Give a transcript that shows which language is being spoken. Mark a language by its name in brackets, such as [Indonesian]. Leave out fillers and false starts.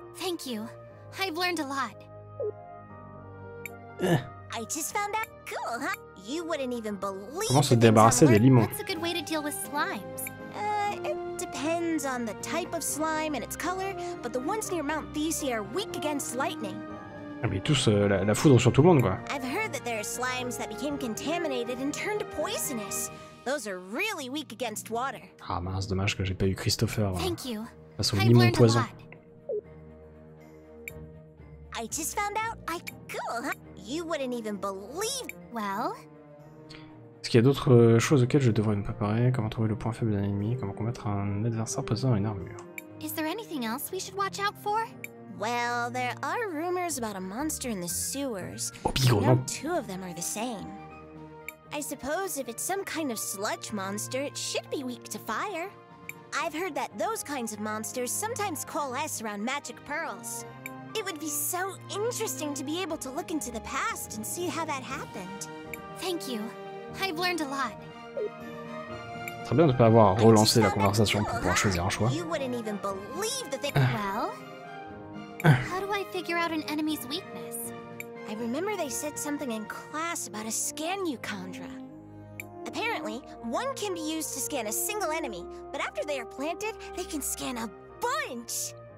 [English] Thank you. I've learned a lot. I just found out. Cool, huh? You wouldn't even believe. [French] Comment se débarrasser des limons? [English] That's a good way to deal with slimes. It depends on the type of slime and its color, but the ones near Mount Theseus are weak against lightning. [French] mais tous la foudre sur tout le monde quoi. [English] I've heard that there are slimes that became contaminated and turned poisonous. Those are really weak against water. [French] Ah mince, dommage que j'ai pas eu Cristopher. [English] Thank you. [French] Face au limon poison. [English] I just found out I cool, huh? You wouldn't even believe. Well. [French] Est-ce qu'il y a d'autres choses auxquelles je devrais me préparer? Comment trouver le point faible d'un ennemi? Comment combattre un adversaire possédant une armure? [English] Is there anything else we should watch out for? Well, there are rumors about a monster in the sewers. [French] Oh, bigo, non. [English] Two of them are the same. I suppose if it's some kind of sludge monster, it should be weak to fire. I've heard that those kinds of monsters sometimes coalesce around magic pearls. It would be so interesting to be able to look into the past and see how that happened. Thank you. I've learned a lot. [French] Très bien de ne pas avoir relancé la conversation pour pouvoir choisir un choix. [English] You wouldn't even believe the thing. Well, how do I figure out an enemy's weakness? I remember they said something in class about a scan Eucondra. Apparently, one can be used to scan a single enemy, but after they are planted, they can scan a bunch.